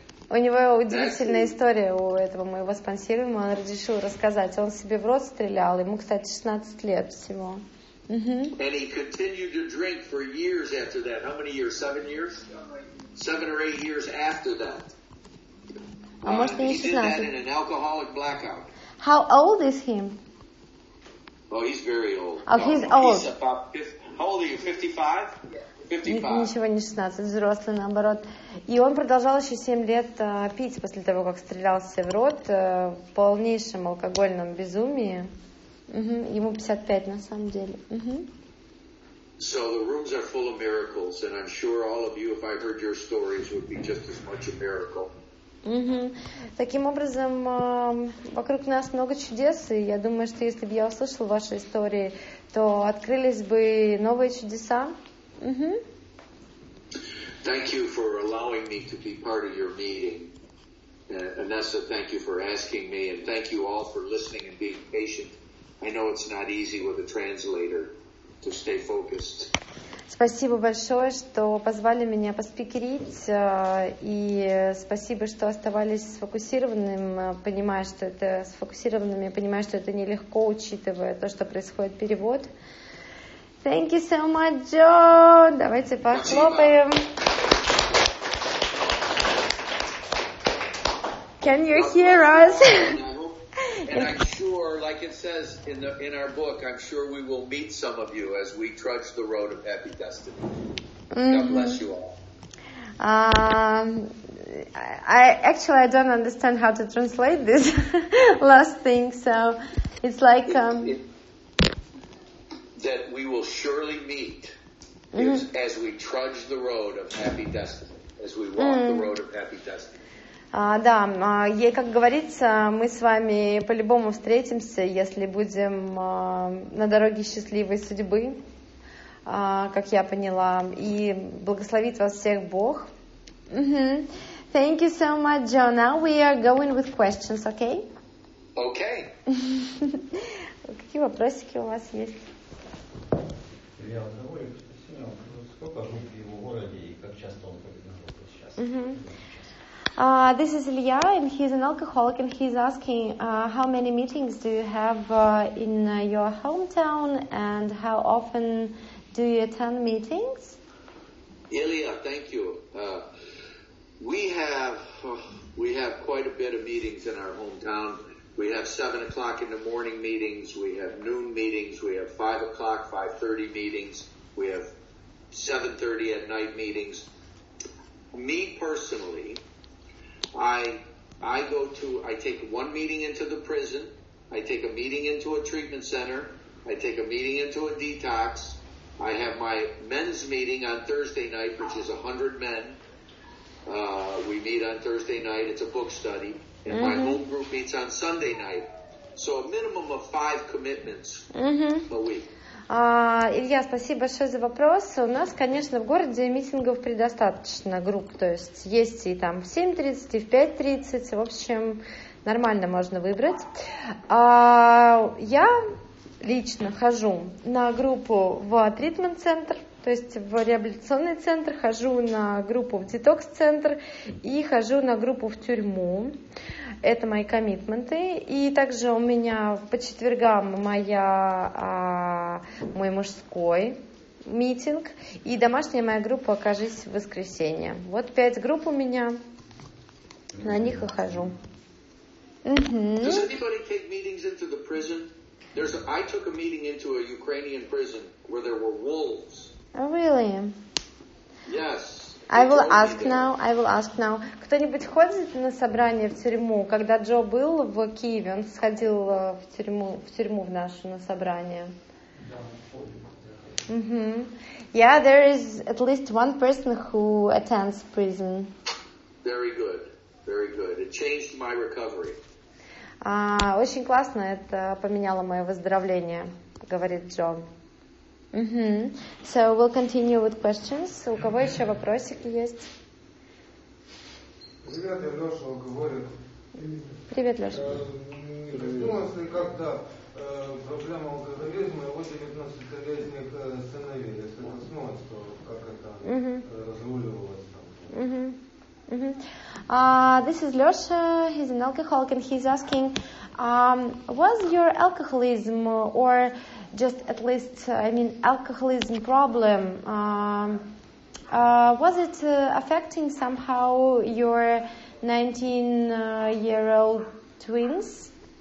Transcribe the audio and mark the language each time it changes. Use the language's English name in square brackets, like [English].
[Russian] У него удивительная история у этого моего спонсируемого, он решил рассказать. Он себе в рот стрелял, ему, кстати, 16 лет всего. [English] And he continued to drink for years after that. How many years? 7 years? 7 or 8 years after that. А может, не 16. He did that in an alcoholic blackout. How old is he? Oh, he's very old. Oh, he's old. He's about 50. How old are you, 55? Yeah. [Russian] Ничего не 16, взрослый наоборот. И он продолжал еще 7 лет пить после того, как стрелялся в рот в полнейшем алкогольном безумии. Ему 55 на самом деле. [English] So the rooms are full of miracles, and I'm sure all of you, if I heard your stories, would be just as much a miracle. Угу. [Russian] Таким образом, вокруг нас много чудес, и я думаю, что если бы я услышала ваши истории, то открылись бы новые чудеса. Угу. [English] Thank you for allowing me to be part of your meeting. Anessa, thank you for asking me, and thank you all for listening and being patient. I know it's not easy with a translator to stay focused. [Russian] Спасибо большое, что позвали меня поспикерить, и спасибо, что оставались сфокусированными, понимая, что это нелегко, учитывая то, что происходит перевод. [English] Thank you so much, John! [Russian] Давайте похлопаем. [English] Can you hear us? And I'm sure, like it says in our book, I'm sure we will meet some of you as we trudge the road of happy destiny. God bless you all. I don't understand how to translate this last thing. So it's like that we will surely meet as we trudge the road of happy destiny, as we walk the road of happy destiny. [Russian] Да, ей, как говорится, мы с вами по-любому встретимся, если будем на дороге счастливой судьбы, как я поняла, и благословит вас всех Бог. [English] Mm-hmm. Thank you so much, John. Now we are going with questions, okay? Okay. [Russian] Какие вопросики у вас есть? Я одного и сколько групп в его городе и как часто он поднимает сейчас? [English] This is Ilya, and he's an alcoholic, and he's asking, how many meetings do you have in your hometown, and how often do you attend meetings? Ilya, thank you. We have quite a bit of meetings in our hometown. We have 7 o'clock in the morning meetings, we have noon meetings, we have 5 o'clock, 5:30 meetings, we have 7:30 at night meetings. Me, personally, I take one meeting into the prison, I take a meeting into a treatment center, I take a meeting into a detox, I have my men's meeting on Thursday night, which is 100 men. We meet on Thursday night, it's a book study, and my home group meets on Sunday night. So a minimum of 5 commitments a week. [Russian] Илья, спасибо большое за вопрос. У нас, конечно, в городе митингов предостаточно групп, то есть есть и там в 7:30, и в 5:30, в общем, нормально можно выбрать. Я лично хожу на группу в тритмент-центр, то есть в реабилитационный центр, хожу на группу в детокс-центр и хожу на группу в тюрьму. Это мои коммитменты. И также у меня по четвергам мой мужской митинг. И домашняя моя группа «Окажись в воскресенье». Вот 5 групп у меня. На них и хожу. [English] Does anybody take meetings into the prison? I took a meeting into a Ukrainian prison where there were wolves. Oh, really? Yes. I will ask now. [Russian] Кто-нибудь ходит на собрание в тюрьму? Когда Джо был в Киеве, он сходил в тюрьму в нашу на собрание. Mm-hmm. [English] Yeah, there is at least one person who attends prison. Very good. Very good. It changed my recovery. [Russian] Очень классно, это поменяло мое выздоровление, говорит Джо. [English] Mm-hmm. So we'll continue with questions. [Russian] У кого еще вопросики есть? Привет, я Леша, он говорит. Привет, Леша. Не коснулась ли как-то проблема алкоголизма его 19-летних сыновей? Если коснулась, то как это разруливалось там? [English] This is Lyosha, he's an alcoholic, and he's asking, was your alcoholism, or just at least, alcoholism problem, was it affecting somehow your 19-year-old twins?